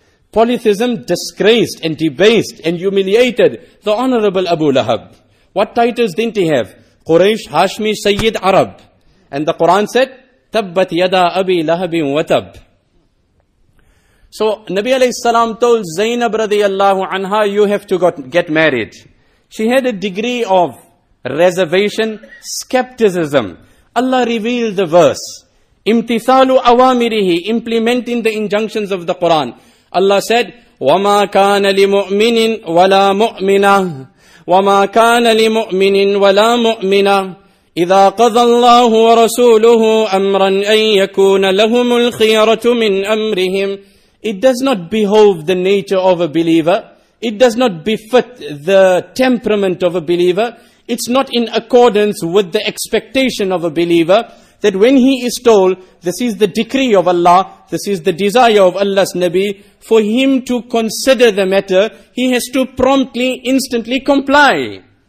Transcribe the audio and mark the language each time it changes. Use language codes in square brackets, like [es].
[en] Polytheism disgraced and debased and humiliated the honorable Abu Lahab. What titles didn't he have? Quraysh, Hashmi, Sayyid, Arab. And the Quran said, [ar] تَبَّتْ يَدَا أَبِي لَهَبٍ وَتَبْ. [en] So Nabi alayhi salam told Zainab radiallahu anha, you have to get married. She had a degree of reservation, skepticism. Allah revealed the verse. Imtithalu awamirihi, implementing the injunctions of the Quran. Allah said, [ar] وَمَا كَانَ لِمُؤْمِنٍ وَلَا مُؤْمِنَةٍ وَمَا كَانَ لِمُؤْمِنٍ وَلَا مُؤْمِنَةٍ إِذَا قَضَى اللَّهُ وَرَسُولُهُ أَمْرًا أَن يَكُونَ لَهُمُ الْخِيَرَةُ مِنْ أَمْرِهِمْ. [en] It does not behove the nature of a believer. It does not befit the temperament of a believer. It's not in accordance with the expectation of a believer that when he is told, this is the decree of Allah, this is the desire of Allah's Nabi, for him to consider the matter, he has to promptly, instantly comply.